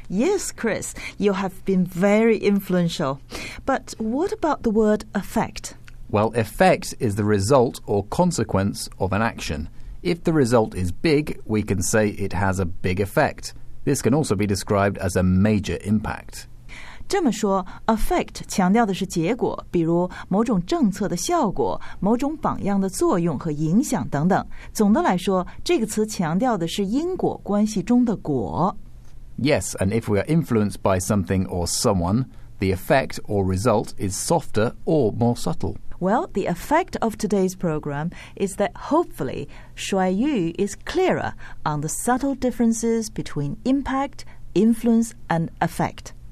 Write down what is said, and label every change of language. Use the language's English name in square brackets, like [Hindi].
[English] Yes, Chris, you have been very influential. But what about the word effect? Well, effect is the result or consequence of an action. If the result is big, we can say it has a big effect. This can also be described as a major impact. [Chinese] 这么说 ,effect 强调的是结果,比如某种政策的效果,某种榜样的作用和影响等等。总的来说,这个词强调的是因果关系中的果。 [English] Yes, and if we are influenced by something or someone, the effect or result is softer or more subtle. Well, the effect of today's program is that hopefully, Shuai Yu is clearer on the subtle differences between impact, influence and effect.